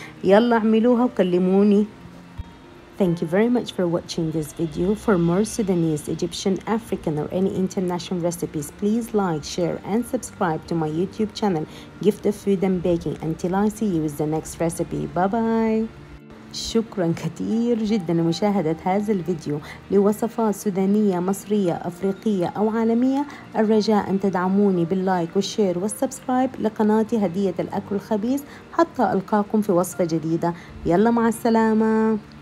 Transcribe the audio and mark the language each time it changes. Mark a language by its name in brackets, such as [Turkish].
[Arabic] يلا اعملوها وكلموني. [English] Thank you very much for watching this video. For more Sudanese, Egyptian, African or any international recipes, please like, share and subscribe to my YouTube channel, Gift of Food and Baking. Until I see you with the next recipe. Bye-bye. [Arabic] شكرا كثير جدا لمشاهدة هذا الفيديو. لوصفات سودانية مصرية أفريقية أو عالمية، الرجاء أن تدعموني باللايك والشير والسبسكرايب لقناتي هدية الأكل الخبيث، حتى ألقاكم في وصفة جديدة. يلا مع السلامة.